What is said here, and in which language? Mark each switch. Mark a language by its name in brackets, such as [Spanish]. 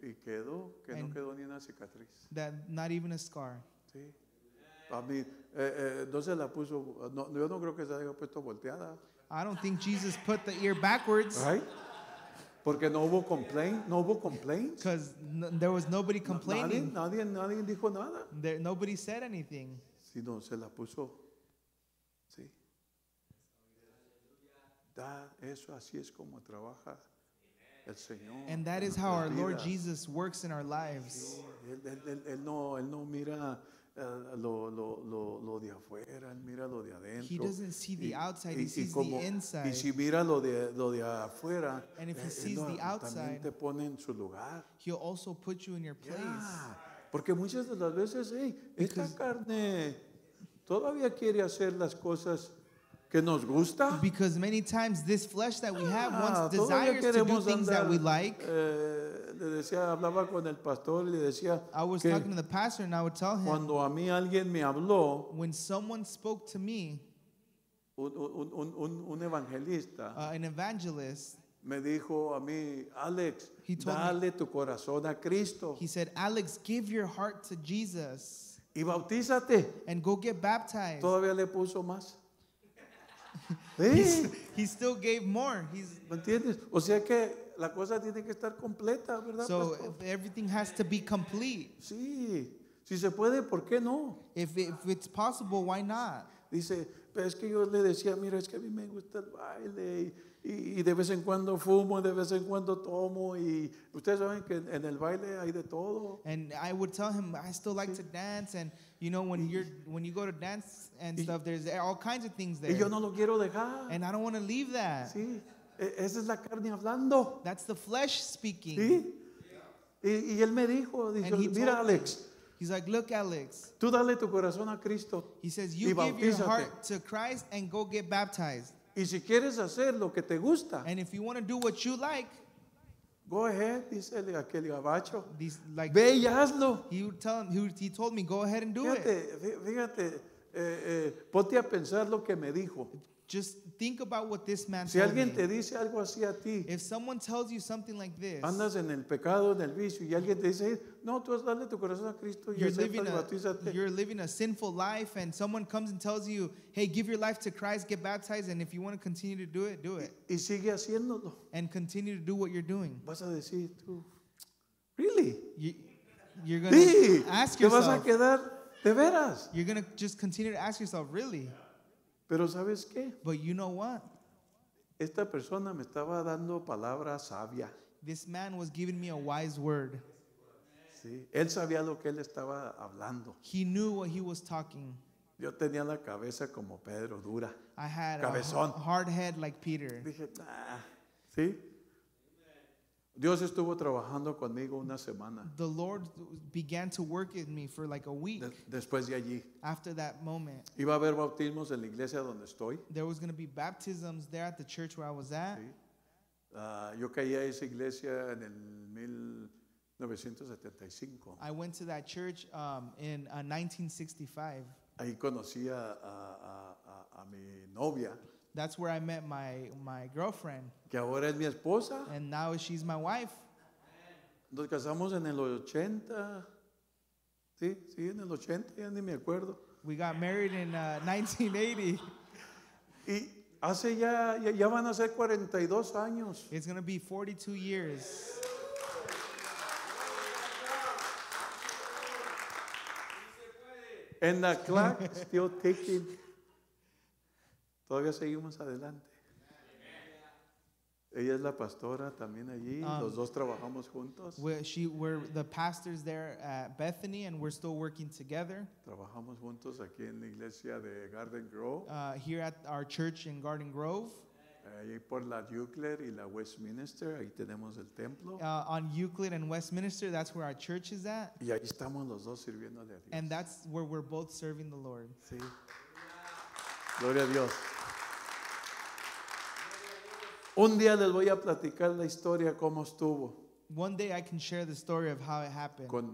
[Spanish] Y quedó, que no quedó ni una cicatriz. [English] That not even a scar. [Spanish] Sí. A mí, no se la puso, no, yo no creo que se haya puesto volteada. [English] I don't think Jesus put the ear backwards. Right? [Spanish] Porque no hubo complaint, no hubo complaint. [English] Because there was nobody complaining. [Spanish] Nadie dijo nada. [English] Nobody said anything. [Spanish] Sino se la puso, sí. Eso así es como trabaja el Señor. [English] And that is how our Lord Jesus works in our lives. [Spanish] Él no mira lo de afuera, él mira lo de adentro. [English] He doesn't see the outside, he sees the inside. [Spanish] Y si mira lo de afuera, [English] and if he sees the outside, [Spanish] te pone en su lugar. [English] He'll also put you in your place. [Spanish] Porque muchas de las veces, hey, esta carne todavía quiere hacer las cosas que nos gusta. [English] Because many times this flesh that we have wants desires to do things [Spanish] andar, [English] that we like. [Spanish] Le decía, hablaba con el pastor y le decía, [English] I was talking to the pastor and I would tell him, [Spanish] cuando a mí alguien me habló, [English] when someone spoke to me, [Spanish] un evangelista, [English] an evangelist, [Spanish] me dijo a mí, Alex, dale tu corazón a Cristo. [English] He said, Alex, give your heart to Jesus. [Spanish] Y bautízate. [English] And go get baptized. [Spanish] Todavía le puso más. ¿Sí? [English] He still gave more. He's, [Spanish] ¿me entiendes? O sea que la cosa tiene que estar completa, ¿verdad? [English] So everything has to be complete. [Spanish] Sí. Si se puede, ¿por qué no? [English] If it's possible, why not? [Spanish] Dice, pero es que yo le decía, mira, es que a mí me gusta el baile y de vez en cuando fumo, de vez en cuando tomo y ustedes saben que en el baile hay de todo. [English] And I would tell him, I still like [Spanish] sí. [English] to dance and you know, when you go to dance and stuff, there's all kinds of things there. [Spanish] Y yo no lo quiero dejar. [English] And I don't want to leave that. [Spanish] Sí, esa es la carne hablando. [English] That's the flesh speaking. [Spanish] Sí, [English] yeah. [Spanish] Y él me dijo mira Alex, [English] he's like, look, Alex. [Spanish] Tú dale tu corazón a Cristo. [English] He says, you give your heart to Christ and go get baptized. [Spanish] Y si quieres hacer lo que te gusta, [English] and if you want to do what you like, go ahead, [Spanish] dice aquel gabacho. [English] These, like, [Spanish] ve y hazlo. [English] He told me, go ahead and do [Spanish] fíjate, [English] it. [Spanish] Fíjate, ponte a pensar lo que me dijo. [English] Just think about what this man said. [Spanish] Si alguien te dice algo así a ti, [English] if someone tells you something like this, [Spanish] andas en el pecado, en el vicio, y alguien te dice, no, tú vas a darle tu corazón a Cristo y bautízate. [English] You're living a sinful life, and someone comes and tells you, hey, give your life to Christ, get baptized, and if you want to continue to do it, do it. [Spanish] Y sigue haciéndolo. [English] And continue to do what you're doing. [Spanish] Vas a decir tú, [English] really? You're going to ask yourself. [Spanish] ¿Te vas a quedar de veras? [English] You're going to just continue to ask yourself, really? [Spanish] Pero ¿sabes qué? [English] But you know what? [Spanish] Esta persona me estaba dando palabra sabia. [English] This man was giving me a wise word. [Spanish] Sí. Él sabía lo que él estaba hablando. [English] He knew what he was talking. [Spanish] Yo tenía la cabeza como Pedro, dura. [English] I had [Spanish] cabezón. [English] A hard head like Peter. [Spanish] Dije, ah. ¿Sí? Dios estuvo trabajando conmigo una semana. [English] The Lord began to work in me for like a week. [Spanish] Después de allí. [English] After that moment. [Spanish] Iba a haber bautismos en la iglesia donde estoy. [English] There was going to be baptisms there at the church where I was at. [Spanish] Sí. Yo caí a esa iglesia en el 1975. [English] I went to that church in 1965. [Spanish] Ahí conocí a mi novia. [English] That's where I met my girlfriend. [Spanish] Que ahora es mi esposa. [English] And now she's my wife. [Spanish] Nos casamos en el 80. Sí, sí, en el 80, ya ni me acuerdo. [English] We got married in 1980. [Spanish] Y hace ya van a ser 42 años. [English] It's going to be 42 years. And the clock is still ticking. [Spanish] Todavía seguimos adelante. Ella es la pastora también allí. Los dos trabajamos juntos. [English] We're the pastors there at Bethany, and we're still working together. [Spanish] Trabajamos juntos aquí en la iglesia de Garden Grove. [English] Here at our church in Garden Grove. [Spanish] Ahí por la Euclid y la Westminster, ahí tenemos el templo. [English] On Euclid and Westminster, that's where our church is at. [Spanish] Y ahí estamos los dos sirviéndole a Dios. [English] And that's where we're both serving the Lord. [Spanish] Sí. Gloria a Dios. Un día les voy a platicar la historia cómo estuvo. [English] One day I can share the story of how it happened.